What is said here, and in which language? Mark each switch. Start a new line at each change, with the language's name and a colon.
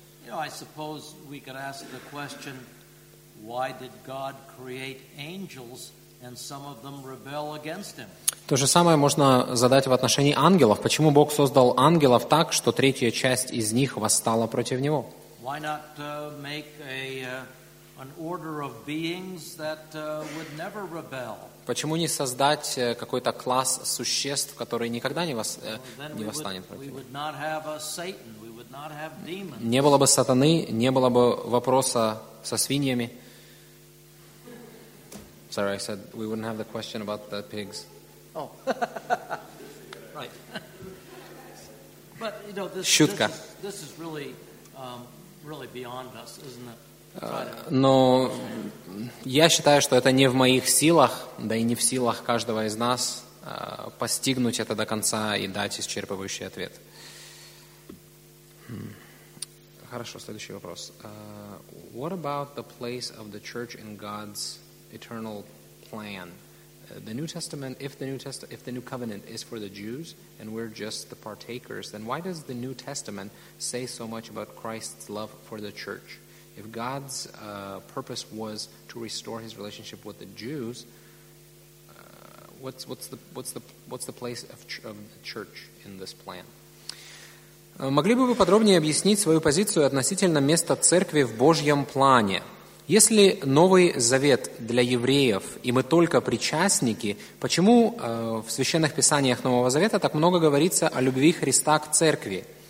English: You know, I suppose we could ask the question, why did God create angels and some of them rebel against him?
Russian: То же самое можно задать в отношении ангелов. Почему Бог создал ангелов так, что третья часть из них восстала против Него?
English: Why not make an order of beings that would never rebel?
Russian: Почему не создать какой-то класс существ, который никогда не восстанет против Него?
English: We would not have a Satan. We would not have demons.
Russian: Не было бы сатаны, не было бы вопроса со свиньями.
English: Sorry, I said we wouldn't have the question about the pigs. Oh, right. But you know, this is really, really beyond us, isn't it?
Russian: Но я считаю, что это не в моих силах, да и не в силах каждого из нас постигнуть это до конца и дать исчерпывающий ответ. Хорошо, следующий вопрос.
English: What about the place of the church in God's eternal plan? The New Testament, if the New Covenant is for the Jews and we're just the partakers, then why does the New Testament say so much about Christ's love for the church? If God's purpose was to restore His relationship with the Jews, what's the place of the church in this plan?
Russian: Могли бы вы подробнее объяснить свою позицию относительно места церкви в Божьем плане? Если Новый Завет для евреев, и мы только причастники, почему в священных писаниях Нового Завета так много говорится о любви Христа к церкви?